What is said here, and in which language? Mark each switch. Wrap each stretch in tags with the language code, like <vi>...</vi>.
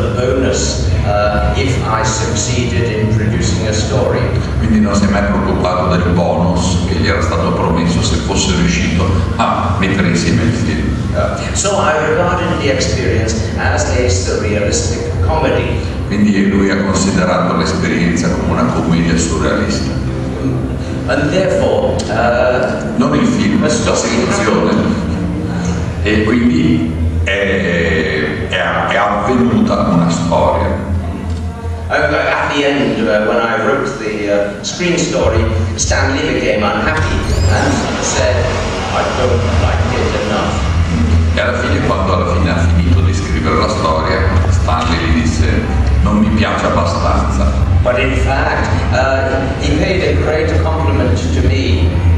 <en>the bonus if I succeeded in producing a story.</en> <it>Quindi non si è mai preoccupato del bonus che gli era stato promesso se fosse riuscito a mettere insieme il film.</it> <en>So I regarded the experience as a surrealistic comedy.</en> <it>Quindi lui ha considerato l'esperienza come una commedia surrealista.</it> <en>And therefore,</en> <it>non il film, la situazione. E quindi è avvenuta una storia.</it> <en>At the end, when I wrote the screen story, Stanley became unhappy and said, I don't like it enough.</en> <it>E alla fine, quando alla fine ha finito di scrivere la storia, Stanley gli disse, non mi piace abbastanza.</it> <en>But in fact, he paid a great compliment to me.</en>